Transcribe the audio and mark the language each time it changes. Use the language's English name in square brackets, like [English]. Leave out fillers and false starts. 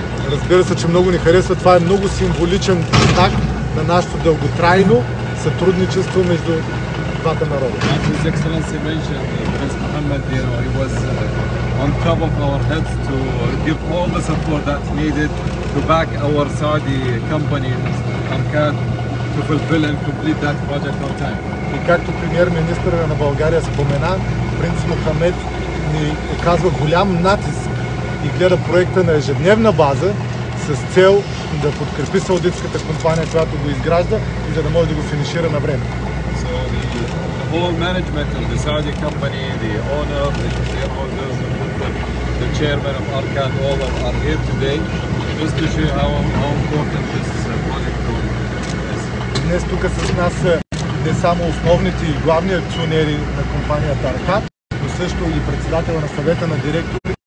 [Bulgarian] Разбира се, че много ни харесва. Това е много символичен знак на нашето дълготрайно сътрудничество между двата народа. [English] His Excellency mentioned Prince Mohammed, you know, he was on top of our heads to give all the support that needed to back our Saudi company and to fulfill and complete that project on time. [Bulgarian] И както премьер-министърът на България спомена, принц Мохамед ни оказва голям натиск и гледа проекта на ежедневна база с цел да подкрепи саудитската компания, която го изгражда и за да може да го финишира на време. [English] So the whole management of the Saudi company, the owner, the shareholders, the chairman of Arkad, all of them are here today just to show how important this project is. [Bulgarian] Днес тук с нас не само основните и главни акционери на компанията Arkad, но също и председателя на съвета на директор.